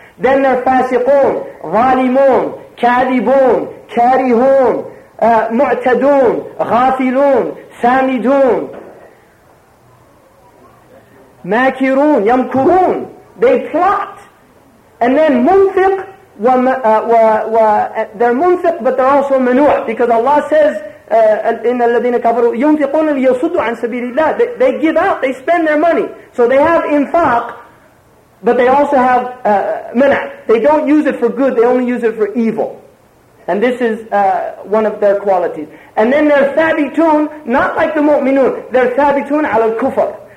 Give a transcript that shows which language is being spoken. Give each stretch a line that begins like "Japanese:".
English: Then they're fasiqun, zalimun, kadibun, karihun, mu'tadun, ghafilun, samidun, makirun, yamkurun. They plot. And then munfiq, they're munfiq, but they're also manu'.
Arabic: Because Allah says, إِنَّ الَّذِينَ كَفَرُوا يُنْفِقُونَ لِيَصُدُّوا عَن سَبِيلِ اللَّهِ.
English: They give out, they spend their money. So they have infaq, but they also have manu'. They don't use it for good, they only use it for evil. And this is one of their qualities. And then they're thabitun, not like the mu'minun. They're thabitun ala al-kufr.